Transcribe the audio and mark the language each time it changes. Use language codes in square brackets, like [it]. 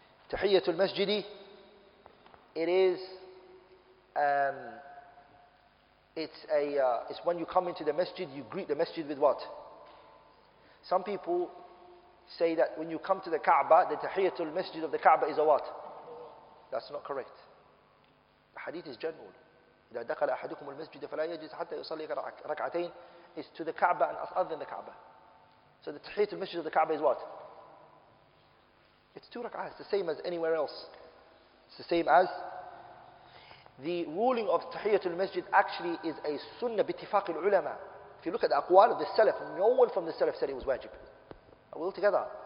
[en] Tahiyyatul masjidi, it is, it's when you come into the masjid, you greet the masjid with what? Some people say that when you come to the Kaaba, the tahiyyatul masjid of the Kaaba is a what? That's not correct. The hadith is general. [ar] إذا دخل أحدكم المسجد فلا يجلس حتى يصلي ركعتين. [en] It's to the Kaaba and [ar] أذن [en] the Kaaba. So the tahiyyatul masjid of the Kaaba is what? It's 2 rak'ah. It's the same as anywhere else. It's the same as. The ruling of Tahiyyatul Masjid actually is a sunnah [ar] bitifaq al-ulama. [en] If you look at the aqwal of the Salaf, no one from the Salaf said it was wajib. Are we all together?